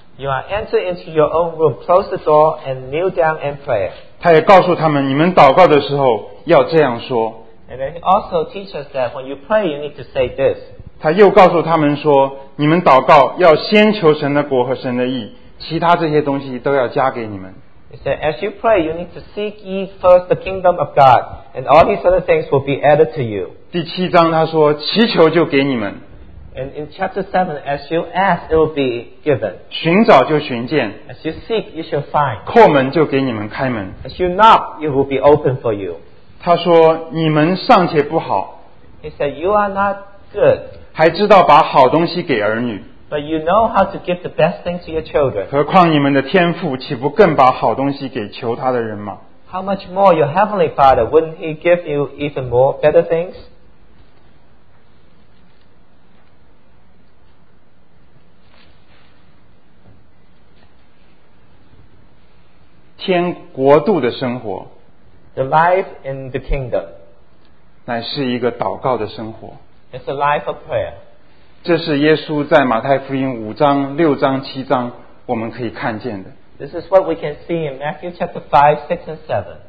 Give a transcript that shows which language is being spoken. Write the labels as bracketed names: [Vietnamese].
[English] You are enter into your own room, close the door, and kneel down and pray. [Chinese] 他也告诉他们，你们祷告的时候要这样说。 [English] And then he also teaches that when you pray, you need to say this. [Chinese] 他又告诉他们说，你们祷告要先求神的国和神的义，其他这些东西都要加给你们。 [English] He said, as you pray, you need to seek ye first the kingdom of God, and all these other things will be added to you. [Chinese] 第七章他说，祈求就给你们。 [English] And in chapter 7, as you ask, it will be given. [Chinese] 寻找就寻见。 [English] As you seek, you shall find. [Chinese] 叩门就给你们开门。 [English] As you knock, it will be open for you. [Chinese] 他说，你们尚且不好。 [English] He said, you are not good. [Chinese] 还知道把好东西给儿女。 [English] But you know how to give the best things to your children. [Chinese] 何况你们的天父岂不更把好东西给求他的人吗？ [English] How much more your heavenly father, wouldn't he give you even more better things? [Chinese] 天国度的生活， [English] The life in the kingdom. [Chinese] 乃是一个祷告的生活。 [English] It's a life of prayer. [Chinese] 这是耶稣在马太福音五章六章七章我们可以看见的。 [English] This is what we can see in Matthew chapter 5, 6 and 7.